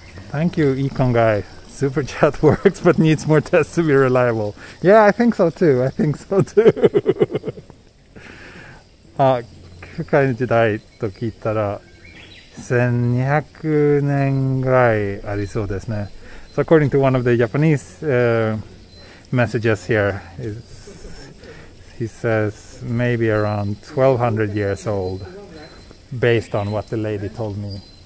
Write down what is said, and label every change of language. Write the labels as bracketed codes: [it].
[en] Thank you, Econ guy. Super chat works, but needs more tests to be reliable. Yeah, I think so too. I think so too. [ja] と聞いたら、1200年ぐらいありそうですね。 [en] So according to one of the Japanese messages here, he says maybe around 1200 years old, based on what the lady told me.